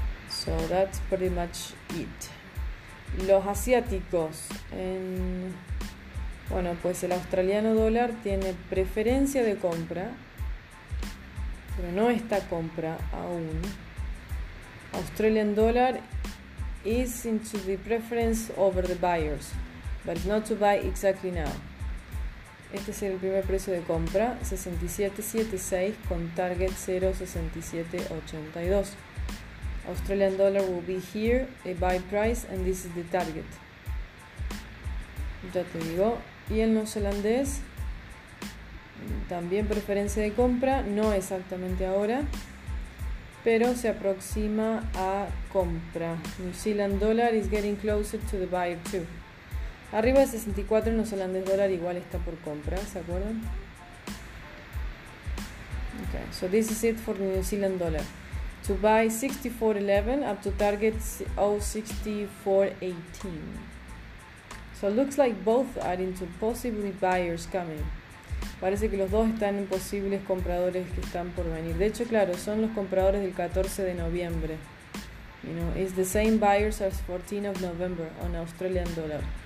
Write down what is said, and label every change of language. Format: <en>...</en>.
<en>So that's pretty much it.</en> <es>Los asiáticos en, bueno, pues el australiano dólar tiene preferencia de compra, pero no está compra aún.</es> <en>Australian dollar is into the preference over the buyers, but not to buy exactly now.</en> <es>Este es el primer precio de compra, 67.76 con target 0.6782.</es> <en>Australian dollar will be here, a buy price, and this is the target.</en> <es>Ya te digo. Y el neozelandés, también preferencia de compra, no exactamente ahora, pero se aproxima a compra.</es> <en>New Zealand dollar is getting closer to the buyer too.</en> <es>Arriba de 64, el neozelandés dólar igual está por compra, ¿se acuerdan?</es> <en>Okay, so this is it for the New Zealand dollar. To buy 64.11 up to target 0.6418. So it looks like both are into possibly buyers coming.</en> <es>Parece que los dos están en posibles compradores que están por venir. De hecho, claro, son los compradores del 14 de noviembre.</es> <en>You know, it's the same buyers as 14 of November on Australian dollar.</en>